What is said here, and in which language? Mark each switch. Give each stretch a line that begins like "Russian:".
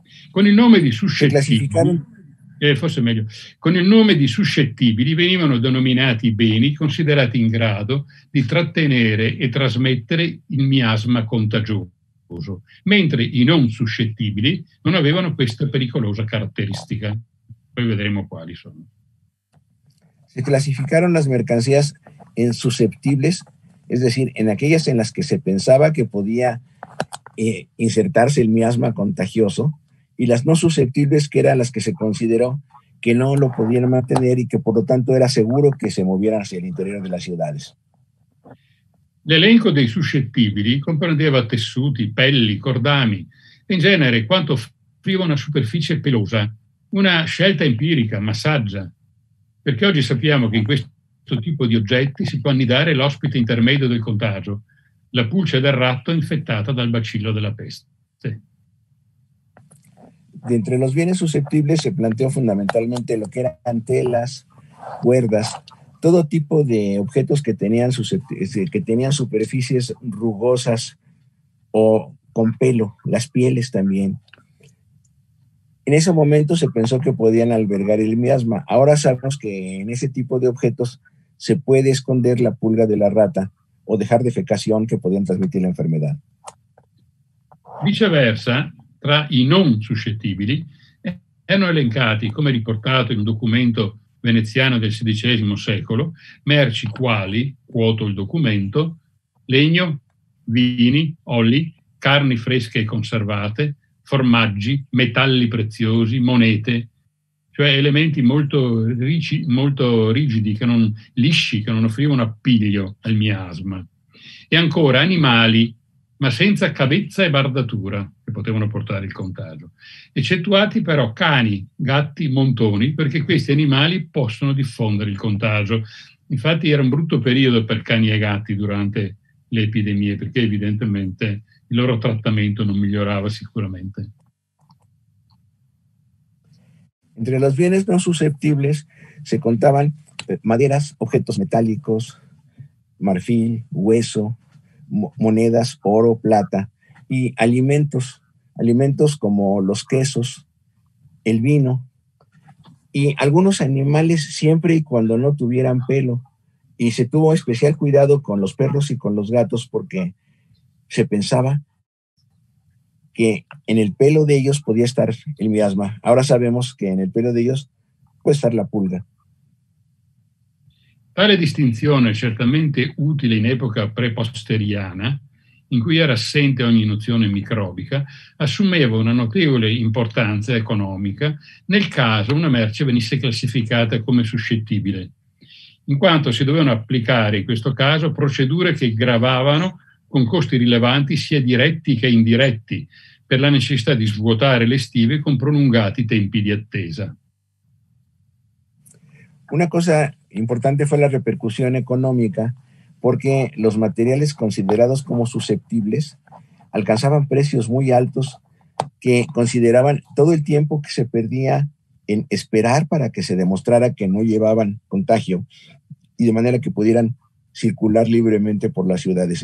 Italian: Con il nome di suscettibili, forse meglio, con il nome di suscettibili venivano denominati beni considerati in grado di trattenere e trasmettere il miasma contagioso, mentre i non suscettibili non avevano questa pericolosa caratteristica. Poi vedremo quali sono.
Spanish: Se clasificaron las mercancías en susceptibles, es decir, en aquellas en las que se pensaba que podía insertarse el miasma contagioso, y las no susceptibles, que eran las que se consideró que no lo podían mantener y que por lo tanto era seguro que se movieran hacia el interior de las ciudades.
Italian: L'elenco dei suscettibili comprendeva tessuti, pelli, cordami, in genere quanto offriva una superficie pelosa, una scelta empirica, ma saggia, perché oggi sappiamo che in questo tipo di oggetti si può annidare l'ospite intermedio del contagio, la pulce del ratto infettata dal bacillo della peste.
Spanish: D'entre los bienes suscettibili se planteò
Italian: fondamentalmente lo che
Spanish: erano telas, cuerdas, todo tipo de objetos que tenían superficies rugosas o con pelo, las pieles también. En ese momento se pensó que podían albergar el miasma. Ahora sabemos que en ese tipo de objetos se puede esconder la pulga de la rata o dejar defecación que podían transmitir la enfermedad.
Italian: Viceversa, tra i non suscettibili, erano elencati, come riportato in un documento veneziana del XVI secolo, merci quali, quoto il documento, legno, vini, oli, carni fresche e conservate, formaggi, metalli preziosi, monete, cioè elementi molto ricci, molto rigidi, che non, lisci, che non offrivano appiglio al miasma. E ancora animali, ma senza cabezza e bardatura, che potevano portare il contagio. Eccettuati però cani, gatti, montoni, perché questi animali possono diffondere il contagio. Infatti era un brutto periodo per cani e gatti durante le epidemie, perché evidentemente il loro trattamento non migliorava sicuramente.
Spanish: Entre los bienes no susceptibles se contaban maderas, objetos metálicos, marfil, hueso, monedas, oro, plata y alimentos, alimentos como los quesos, el vino y algunos animales siempre y cuando no tuvieran pelo. Y se tuvo especial cuidado con los perros y con los gatos porque se pensaba que en el pelo de ellos podía estar el miasma. Ahora sabemos que en el pelo de ellos puede estar la pulga.
Italian: Tale distinzione, certamente utile in epoca preposteriana, in cui era assente ogni nozione microbica, assumeva una notevole importanza economica nel caso una merce venisse classificata come suscettibile, in quanto si dovevano applicare in questo caso procedure che gravavano con costi rilevanti sia diretti che indiretti, per la necessità di svuotare le stive con prolungati tempi di attesa.
Spanish: Una cosa importante fue la repercusión económica, porque los materiales considerados como susceptibles alcanzaban precios muy altos que consideraban todo el tiempo que se perdía en esperar para que se demostrara que no llevaban contagio y de manera que pudieran circular libremente por las ciudades.